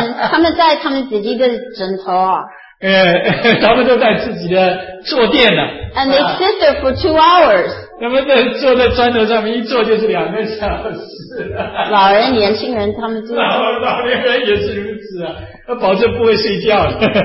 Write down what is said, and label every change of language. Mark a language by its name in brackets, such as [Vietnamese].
[Chinese] 他们在他们自己的枕头啊。他们都在自己的坐垫呢。 [English] And they sit there for 2 hours. [Chinese] 他们在坐在砖头上面一坐就是两个小时。老人、年轻人，他们就老年人也是如此啊，保证不会睡觉的。